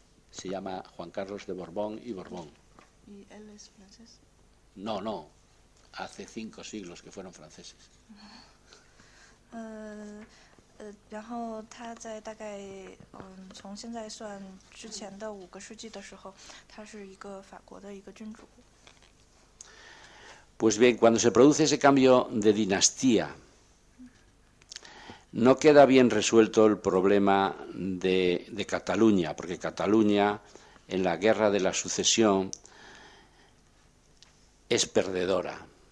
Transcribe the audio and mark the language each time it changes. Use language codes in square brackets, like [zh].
[es] se llama Juan Carlos de Borbón y Borbón. ¿Y él es francés? No, hace 5 siglos que fueron franceses. [zh] 然后他在大概从现在算之前的5个世纪的时候，他是一个法国的一个君主。 [es] Pues bien, cuando se produce ese cambio de dinastía, no queda bien resuelto el problema de Cataluña, porque Cataluña, en la guerra de la sucesión, es perdedora.